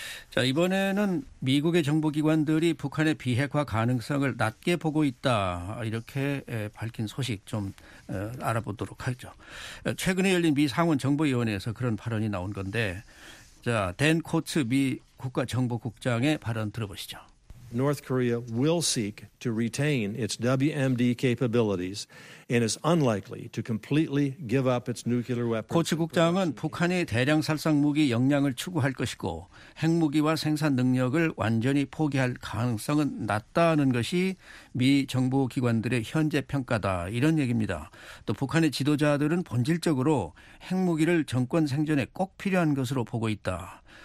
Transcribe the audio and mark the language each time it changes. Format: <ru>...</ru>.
<ko>자 이번에는 미국의 정보기관들이 북한의 비핵화 가능성을 낮게 보고 있다 이렇게 밝힌 소식 좀 알아보도록 하죠. 최근에 열린 미 상원 정보위원회에서 그런 발언이 나온 건데 자 댄 코츠 미 국가정보국장의 발언 들어보시죠.</ko> <en>North Korea will seek to retain its WMD capabilities and is unlikely to completely give up its nuclear weapons.</en> <ko>코츠 국장은 북한이 대량 살상 무기 역량을 추구할 것이고 핵무기와 생산 능력을 완전히 포기할 가능성은 낮다는 것이 미 정부 기관들의 현재 평가다 이런 얘기입니다. 또 북한의 지도자들은 본질적으로 핵무기를 정권 생존에 꼭 필요한 것으로 보고 있다.</ko>